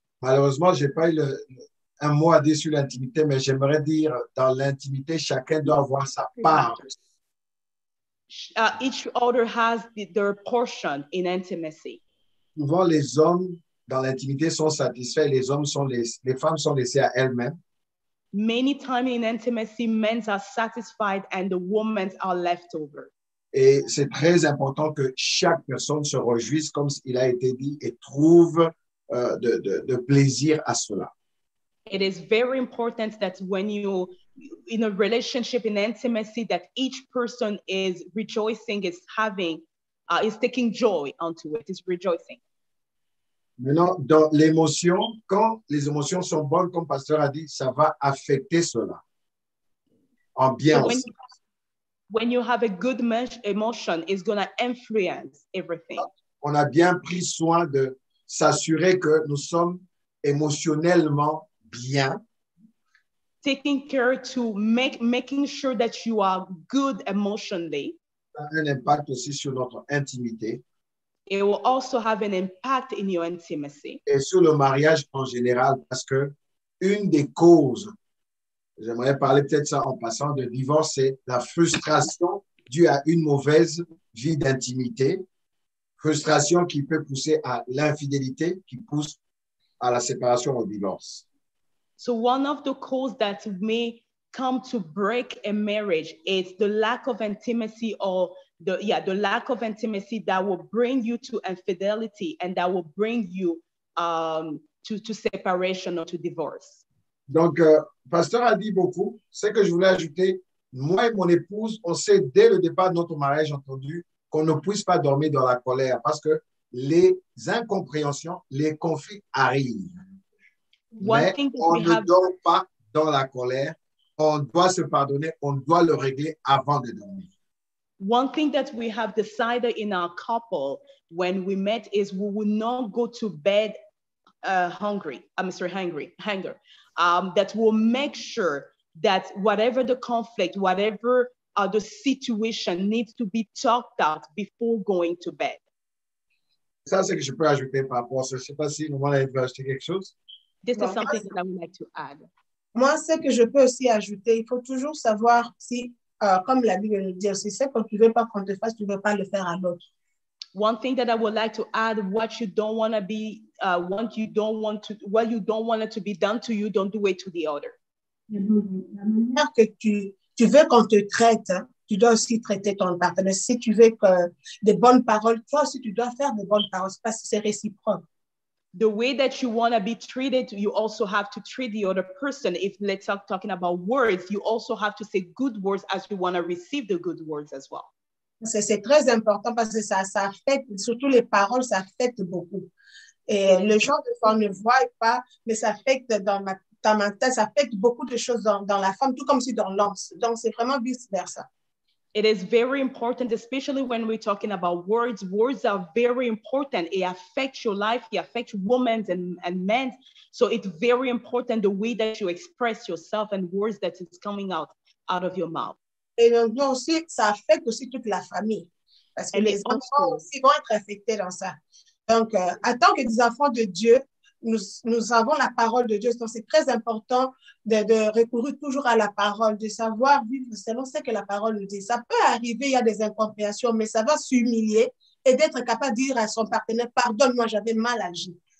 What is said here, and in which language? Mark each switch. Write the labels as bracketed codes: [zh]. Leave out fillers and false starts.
[fr] Malheureusement, j'ai pas eu un mot à dire sur l'intimité, mais j'aimerais dire dans l'intimité, chacun doit avoir sa part. [en] Each other has their portion in intimacy. [fr] Souvent, les hommes dans l'intimité sont satisfaits, les femmes sont laissées à elles-mêmes. [en] Many times in intimacy, men are satisfied and the women are left over. [fr] Et c'est très important que chaque personne se réjouisse, comme il a été dit, et trouve de plaisir à cela. [en] It is very important that when you in a relationship, in intimacy, that each person is rejoicing, is having, is taking joy onto it, is rejoicing. [fr] Maintenant, dans l'émotion, quand les émotions sont bonnes, comme Pasteur a dit, ça va affecter cela. En bien aussi. [en] When you have a good emotion, it's going to influence everything. [fr] On a bien pris soin de s'assurer que nous sommes émotionnellement bien. [en] Taking care to making sure that you are good emotionally. [fr] Ça a un impact aussi sur notre intimité. [en] It will also have an impact in your intimacy. [fr] Et sur le mariage en général, parce que une des causes, j'aimerais parler peut-être ça en passant, de divorce, c'est la frustration due à une mauvaise vie d'intimité. Frustration qui peut pousser à l'infidélité, qui pousse à la séparation ou au divorce. [en] So one of the causes that may come to break a marriage is the lack of intimacy or the lack of intimacy that will bring you to infidelity and that will bring you to separation or to divorce. [fr] Donc, Pasteur a dit beaucoup. Ce que je voulais ajouter, moi et mon épouse, on sait dès le départ de notre mariage, entendu, qu'on ne puisse pas dormir dans la colère parce que les incompréhensions, les conflits arrivent. Mais on ne dort pas dans la colère. On doit se pardonner, on doit le régler avant de dormir. [en] One thing that we have decided in our couple when we met is we will not go to bed hungry. That will make sure that whatever the conflict, whatever the situation needs to be talked out before going to bed. [fr] Ça, c'est que je peux ajouter par rapport à ça. Je ne sais pas si vous voulez ajouter quelque chose. [en] This is something that I would like to add. [fr] Moi, ce que je peux aussi ajouter, il faut toujours savoir si, comme la Bible le dit, si c'est que tu ne veux pas qu'on te fasse, tu ne veux pas le faire à l'autre. [en] One thing that I would like to add, what you don't want to be, what you don't want it to be done to you, don't do it to the other. [fr] La manière que tu veux qu'on te traite, hein, tu dois aussi traiter ton partenaire. Si tu veux que des bonnes paroles, toi aussi tu dois faire des bonnes paroles, parce que c'est réciproque. [en] The way that you want to be treated, you also have to treat the other person. If let's start talking about words, you also have to say good words as you want to receive the good words as well. [fr] C'est très important parce que ça affecte, surtout les paroles, ça affecte beaucoup. Et le genre de femme ne voit pas, mais ça affecte dans ma tête, ça affecte beaucoup de choses dans la femme, tout comme si dans l'homme. Donc, c'est vraiment vice-versa. [en] It is very important, especially when we're talking about words. Words are very important. It affects your life, it affects women and men. So it's very important the way that you express yourself and words that is coming out of your mouth. [fr] Et donc aussi, ça affecte aussi toute la famille. Parce que les enfants aussi vont être affectés dans ça. Donc, en tant que des enfants de Dieu, nous avons la parole de Dieu. Donc, c'est très important de recourir toujours à la parole, de savoir vivre selon ce que la parole nous dit. Ça peut arriver, il y a des incompréhensions, mais ça va s'humilier et d'être capable de dire à son partenaire, pardonne-moi, j'avais mal agi.